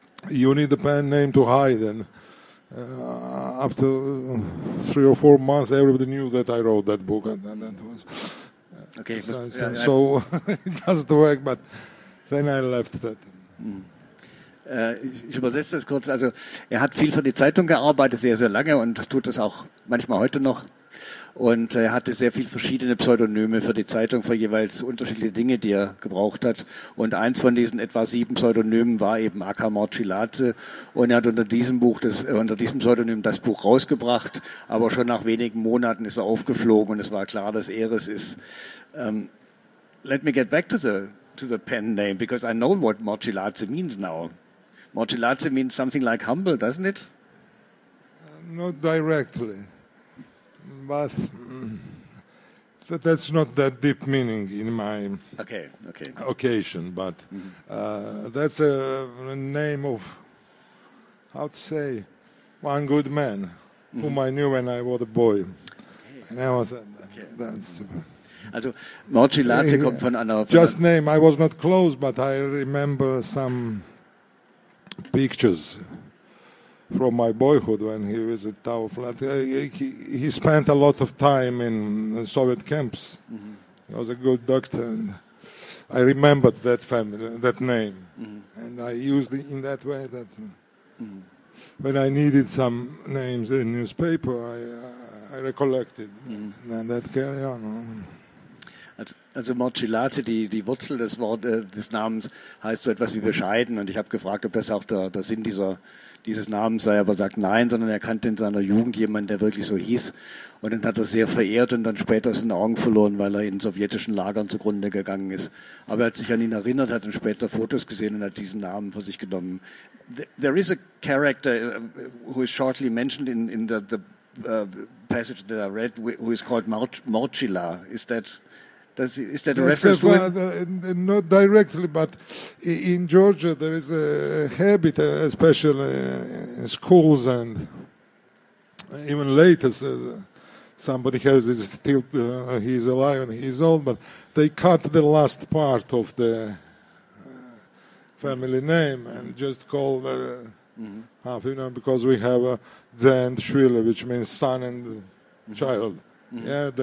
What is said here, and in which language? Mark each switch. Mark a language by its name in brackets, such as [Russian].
[English] You need the pen name to hide, and after 3 or 4 months everybody knew that I wrote that book, and that was... Okay, so it doesn't work, but then I left that. [German] Ich übersetze das kurz. Also, er hat viel für die Zeitung gearbeitet, sehr, sehr lange, und tut das auch manchmal heute noch. Und er hatte sehr viel verschiedene Pseudonyme für die Zeitung, für jeweils unterschiedliche Dinge, die er gebraucht hat. Und eins von diesen etwa 7 Pseudonymen war eben Akamotiladze. Und er hat unter diesem Pseudonym das Buch rausgebracht. Aber schon nach wenigen Monaten ist er aufgeflogen und es war klar, dass er es ist. [English] Let me get back to the pen name, because I know what Motiladze means now. Motiladze means something like humble, doesn't it? Not directly. But that's not that deep meaning in my occasion. But that's a name of, how to say, one good man whom I knew when I was a boy. Okay. And I was, that's... [German] Also, Motiladze kommt von einer... [English] Just name. I was not close, but I remember some pictures from my boyhood when he visited our flat. He spent a lot of time in Soviet camps. Mm-hmm. He was a good doctor, and I remembered that family, that name. Mm-hmm. And I used it in that way that when I needed some names in newspaper, I recollected. Mm-hmm. And that carry on. [German] Also Motiladze, die Wurzel des Wortes, des Namens, heißt so etwas wie bescheiden. Und ich habe gefragt, ob das auch der Sinn dieses Namens sei, aber sagt nein, sondern er kannte in seiner Jugend jemanden, der wirklich so hieß. Und dann hat er sehr verehrt und dann später seine Augen verloren, weil er in sowjetischen Lagern zugrunde gegangen ist. Aber er hat sich an ihn erinnert, hat dann später Fotos gesehen und hat diesen Namen für sich genommen. [English] There is a character who is shortly mentioned in the passage that I read, who is called Motila. Is that... Is that a reference to it? Not directly, but in Georgia there is a habit, especially in schools and even later, somebody has his still, he's alive and he's old, but they cut the last part of the family name and just call the half, you know, because we have a Zend Schwille, which means son and child. Mm-hmm.